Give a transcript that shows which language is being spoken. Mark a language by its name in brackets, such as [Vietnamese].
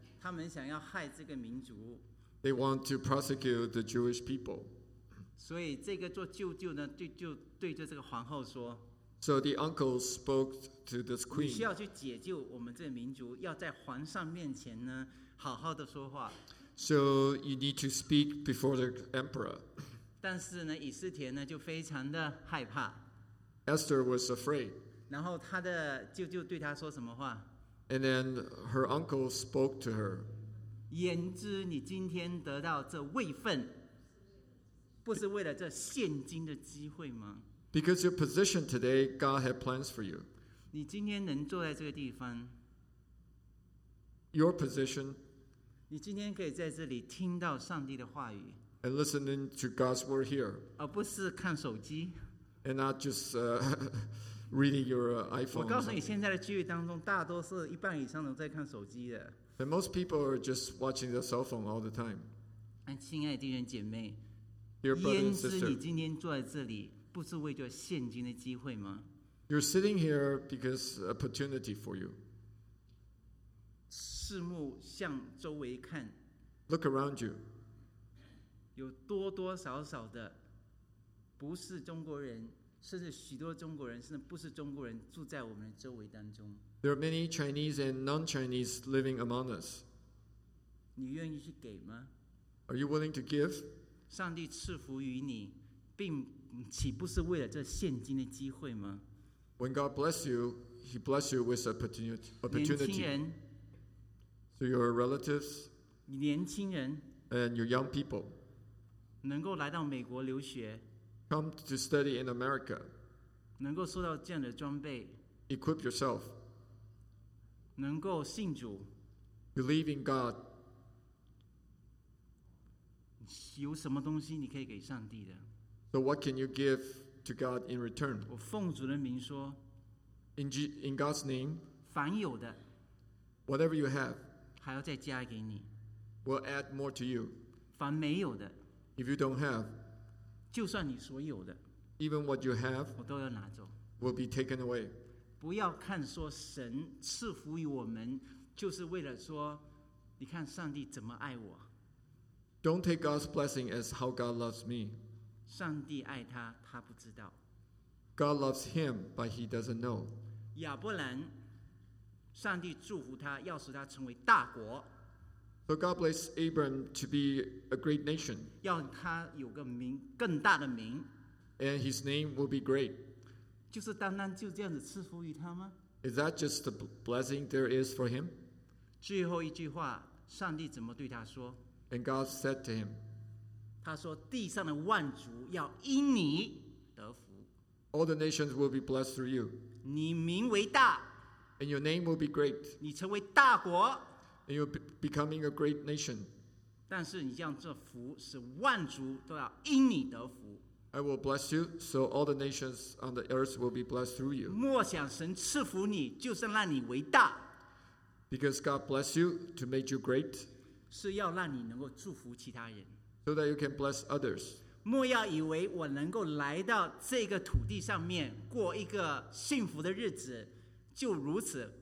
[Chinese] 他们想要害这个民族。 [English] They want to prosecute the Jewish people. [Chinese] 所以这个做舅舅呢，就对着这个皇后说。 [English] So the uncle spoke to this queen. [Chinese] 你需要去解救我们这个民族，要在皇上面前呢，好好的说话。 [English] So you need to speak before the emperor. [Chinese] 但是呢，以斯帖呢就非常的害怕。 [English] Esther was afraid. [Chinese] 然后他的舅舅对他说什么话 [English] And then her uncle spoke to her. [Chinese] 言之，你今天得到这位份，不是为了这现今的机会吗？ [English] Because your position today, God had plans for you. [Chinese] 你今天能坐在这个地方， [English] your position, [Chinese] 你今天可以在这里听到上帝的话语， [English] and listening to God's word here, [Chinese] 而不是看手机， [English] and not just reading your iPhone. [Chinese] 我告诉你，现在的聚会当中，大多是一半以上都在看手机的。 [English] And most people are just watching their cell phone all the time. [Chinese] 亲爱的弟兄姐妹， [English] Dear brother and sister, [Chinese] 你今天坐在这里，不是为着现今的机会吗？ [English] You're sitting here because opportunity for you. [Chinese] 四目向周围看， [English] Look around you. [Chinese] 有多多少少的不是中国人，甚至许多中国人，甚至不是中国人，住在我们的周围当中。 [English] There are many Chinese and non-Chinese living among us. [Chinese] 你愿意去给吗？ [English] Are you willing to give? [Chinese] 上帝赐福于你，并岂不是为了这现今的机会吗？ [English] When God bless you, He bless you with opportunity. [Chinese] 年轻人， [English] so your relatives, [Chinese] 年轻人， [English] and your young people, [Chinese] 能够来到美国留学， [English] come to study in America, [Chinese] 能够收到这样的装备， [English] equip yourself. [Chinese] 能够信主， [English] believe in God， [Chinese] 有什么东西你可以给上帝的？ [English] So what can you give to God in return? [Chinese] 我奉主的名说， [English] in God's name， [Chinese] 凡有的， [English] whatever you have， [Chinese] 还要再加给你， [English] will add more to you， [Chinese] 凡没有的， [English] if you don't have， [Chinese] 就算你所有的， [English] even what you have， [Chinese] 我都要拿走， [English] will be taken away。 [Chinese] 不要看说神赐福于我们，就是为了说，你看上帝怎么爱我。 [English] Don't take God's blessing as how God loves me. [Chinese] 上帝爱他，他不知道。 [English] God loves him, but he doesn't know. [Chinese] 亚伯兰，上帝祝福他，要使他成为大国。 [English] So God bless Abram to be a great nation. [Chinese] 要他有个名，更大的名。 [English] And his name will be great. [Chinese] 就是单单就这样子赐福于他吗？ [English] Is that just the blessing there is for him? [Chinese] 最后一句话，上帝怎么对他说？ [English] And God said to him, [Chinese] 他说地上的万族要因你得福。 [English] All the nations will be blessed through you. [Chinese] 你名为大。 [English] And your name will be great. [Chinese] 你成为大国。 [English] And you're becoming a great nation. [Chinese] 但是你将这福使万族都要因你得福。 [English] I will bless you, so all the nations on the earth will be blessed through you. [Chinese] 默想神赐福你，就是让你伟大。 [English] Because God bless you to make you great. [Chinese] 是要让你能够祝福其他人。 [English] So that you can bless others. [Chinese] 莫要以为我能够来到这个土地上面过一个幸福的日子，就如此。